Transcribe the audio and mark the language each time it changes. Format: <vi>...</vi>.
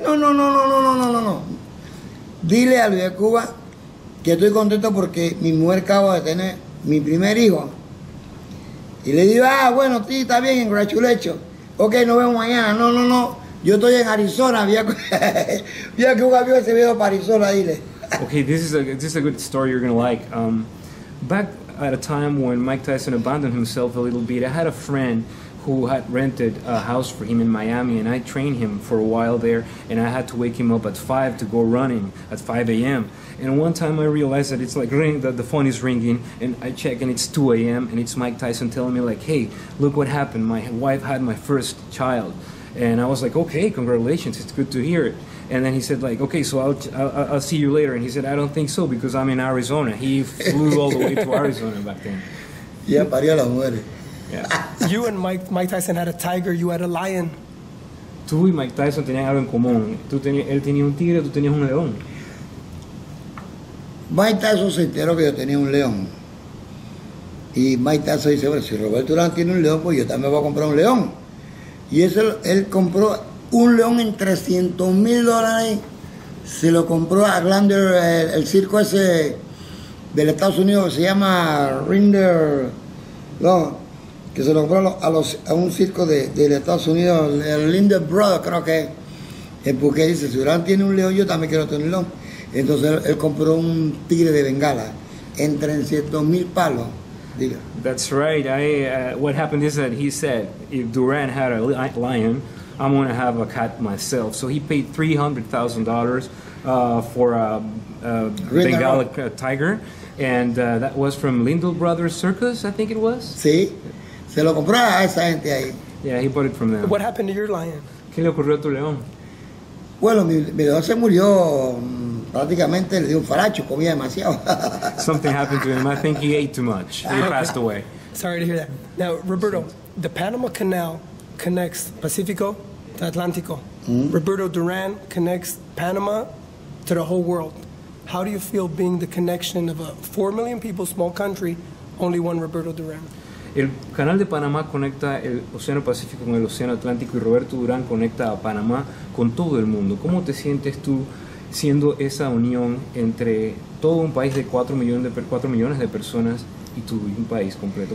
<es>No. Dile a Luis de Cuba... que estoy contento porque mi mujer acaba de tener mi primer hijo. Y le digo, ah, bueno, sí, está bien, congratulations. Ok, nos vemos mañana. No. Yo estoy en Arizona. Vía que un avión se vino para Arizona, dile.</es> <en>Ok, this is a good story you're going to like. Back at a time when Mike Tyson abandoned himself a little bit, I had a friend who had rented a house for him in Miami, and I trained him for a while there, and I had to wake him up at 5 to go running at 5 a.m. And one time I realized that it's like ringing, that the phone is ringing, and I check and it's 2 a.m. and it's Mike Tyson telling me like, hey, look what happened, my wife had my first child. And I was like, okay, congratulations, it's good to hear it. And then he said like, okay, so I'll see you later. And he said, I don't think so, because I'm in Arizona. He flew all the way to Arizona back then.</en> <es>Yeah, parió la muerte.</es> <en>Yeah. You and Mike Tyson had a tiger, you had a lion.</en> <es>Tú y Mike Tyson tenían algo en común. Él tenía un tigre, tú tenías un león. Mike Tyson se enteró que yo tenía un león. Y Mike Tyson dice, bueno, si Roberto Duran tiene un león, pues yo también voy a comprar un león. Y eso, él compró un león en $300,000. Se lo compró a Glander, el circo ese del Estados Unidos, se llama Rinder, ¿no? Que se lo compró a un circo de Estados Unidos, el Linder Brothers, creo que es. Porque dice, si Durán tiene un león, yo también quiero tener un león. Entonces él compró un tigre de Bengala, entre 300,000 palos. Diga.</es> <en>That's right. What happened is that he said, if Durán had a lion, I'm going to have a cat myself. So he paid $300,000 for a Bengala tiger. And that was from Lindell Brothers Circus, I think it was.</en> <es>Sí. Se lo compró a esa gente ahí.</es> <en>Yeah, he bought it from them. What happened to your lion?</en> <es>¿Qué le ocurrió a tu león? Bueno, mi león se murió prácticamente, le dio un faracho, comía demasiado.</es> <en>Something happened to him. I think he ate too much. He passed away. Sorry to hear that. Now, Roberto, the Panama Canal connects Pacifico to Atlantico. Mm-hmm. Roberto Duran connects Panama to the whole world. How do you feel being the connection of a 4 million people, small country, only one Roberto Duran?</en> <es>El Canal de Panamá conecta el Océano Pacífico con el Océano Atlántico y Roberto Duran conecta a Panamá con todo el mundo. ¿Cómo te sientes tú siendo esa unión entre todo un país de 4 millones de personas y tú, un país completo?</es>